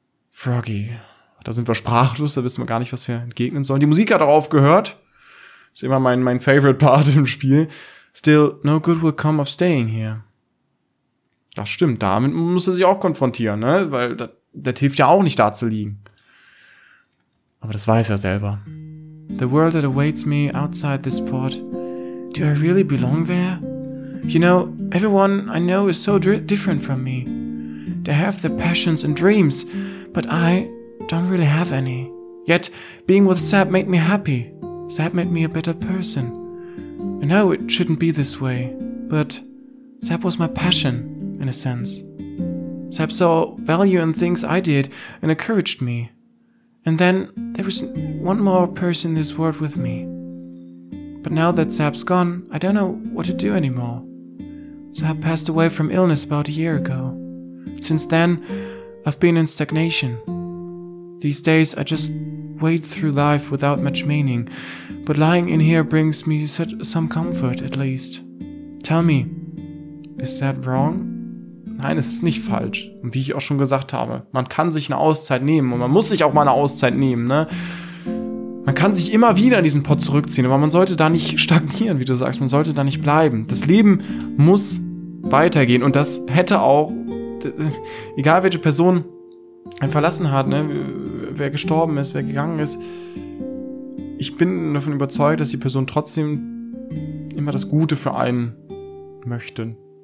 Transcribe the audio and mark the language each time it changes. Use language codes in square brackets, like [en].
[de] Froggy, da sind wir sprachlos, da wissen wir gar nicht, was wir entgegnen sollen. Die Musik hat auch aufgehört. Ist immer mein favorite Part im Spiel. [en] Still, no good will come of staying here. [de] Das stimmt, damit muss er sich auch konfrontieren, ne? Weil das das hilft ja auch nicht, da zu liegen. Aber das weiß er selber. [en] The world that awaits me outside this port. Do I really belong there? You know, everyone I know is so different from me. They have their passions and dreams, but I don't really have any. Yet, being with Sab made me happy. Sab made me a better person. I know it shouldn't be this way, but Sab was my passion, in a sense. Sab saw value in things I did and encouraged me. And then there was one more person in this world with me. But now that Sab's gone, I don't know what to do anymore. Sab passed away from illness about a year ago. Since then, I've been in stagnation. These days, I just wade through life without much meaning, but lying in here brings me some comfort, at least. Tell me, is that wrong? [de] Nein, es ist nicht falsch. Und wie ich auch schon gesagt habe, man kann sich eine Auszeit nehmen und man muss sich auch mal eine Auszeit nehmen, ne? Man kann sich immer wieder in diesen Pott zurückziehen, aber man sollte da nicht stagnieren, wie du sagst. Man sollte da nicht bleiben. Das Leben muss weitergehen und das hätte auch, egal welche Person einen verlassen hat, ne, wer gestorben ist, wer gegangen ist, ich bin davon überzeugt, dass die Person trotzdem immer das Gute für einen möchte.